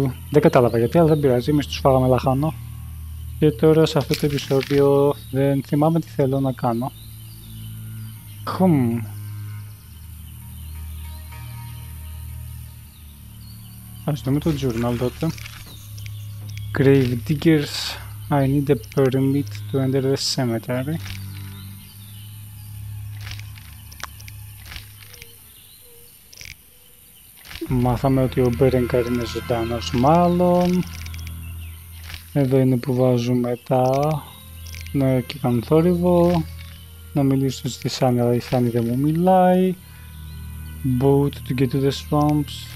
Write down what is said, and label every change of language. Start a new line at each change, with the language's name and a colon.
Greek: Δεν κατάλαβα γιατί, αλλά δεν πειράζει, εμείς τους φάγαμε λαχάνο. Και τώρα σε αυτό το επεισόδιο δεν θυμάμαι τι θέλω να κάνω. Ας δούμε το journal τότε.
English: Grave diggers, I need a permit to enter the cemetery.
Greek: Μάθαμε ότι ο Μπέρενκαρ είναι ζωντανός μάλλον. Εδώ είναι που βάζουμε τα... Ναι, εκεί κάνουν θόρυβο. Να μιλήσω στη Σάνη, αλλά η Σάνη δεν μου μιλάει.
English: Boat to get to the swamps.